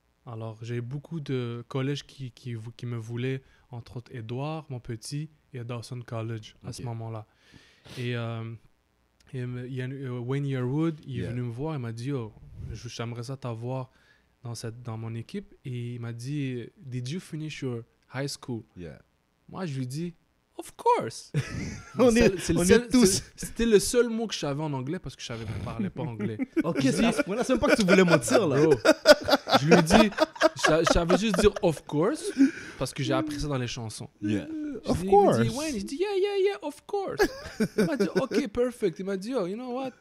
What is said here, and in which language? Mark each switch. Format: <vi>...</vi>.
<fr>Alors, j'ai beaucoup de collèges qui me voulaient, entre autres Édouard, mon petit, et Dawson College à ce moment-là. Et Wayne Yearwood, il est venu me voir, il m'a dit, yo, j'aimerais ça t'avoir dans mon équipe. Et il m'a dit,</fr> <en>did you finish your high school? Yeah.</en> <fr>Moi, je lui dis,</fr> <en>of course.</en> <fr>on est tous. C'était le seul mot que j'avais en anglais parce que je ne parlais pas anglais. Ok, c'est même pas que tu voulais mentir là. Je lui dis, j'avais juste dire</fr> <en>of course</en> <fr>parce que j'ai appris ça dans les chansons.</fr> <en>Yeah. of course.</en> <fr>Il m'a dit,</fr> <en>yeah, of course.</en> <fr>Il m'a dit,</fr> <en>okay, perfect.</en> <fr>Il m'a dit,</fr> <en>oh, you know what?</en>